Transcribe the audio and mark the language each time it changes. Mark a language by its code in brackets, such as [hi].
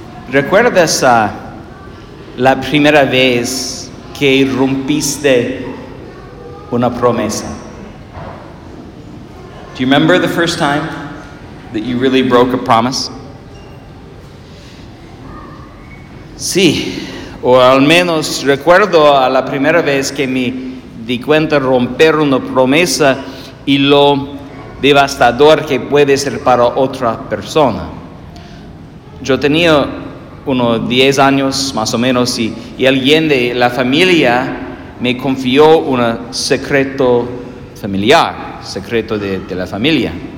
[es] ¿Recuerdas la primera vez que rompiste una promesa? [en] Do you remember the first time that you really broke a promise? [es] Sí, o al menos recuerdo a la primera vez que me di cuenta romper una promesa y lo devastador que puede ser para otra persona. Yo tenía unos 10 años más o menos y alguien de la familia me confió un secreto familiar, secreto de la familia.